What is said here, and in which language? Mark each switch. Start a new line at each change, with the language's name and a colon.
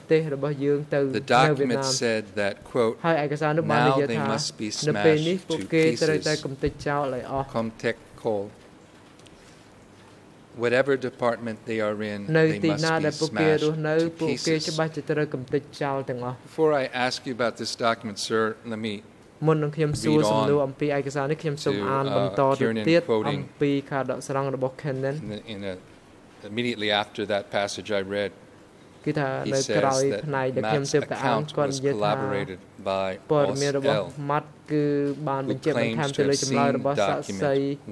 English: The document said that, quote, now they must be smashed to pieces. Whatever department they are in, they must be smashed to pieces. Before I ask you about this document, sir, let me
Khmer: មុននឹងខ្ញុំសួរសំណួរអំពីឯកសារនេះខ្ញុំសូមអានបន្តទៅទៀតអំពីការដកស្រង់របស់ Kennan
English: immediately after that passage I read
Khmer: គឺថានៅក្រោយផ្នែកដែលខ្ញុំទៅអានគាត់និយាយថា ព័ត៌មានរបស់ Matt គឺបានបញ្ជាក់បន្ថែមទៅលើចំណាយរបស់សាស្ត្រី